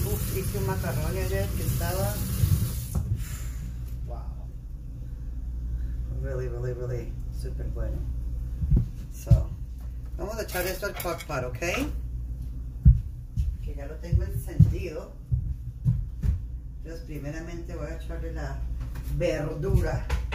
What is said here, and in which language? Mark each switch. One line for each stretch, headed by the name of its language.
Spanish: Uf, hice un macaroni ayer que estaba.
English: Wow. Really, really, really super
Spanish: bueno. So, vamos a echar esto al crock pot, ¿ok? Que ya lo tengo encendido. Entonces, primeramente voy a echarle la verdura.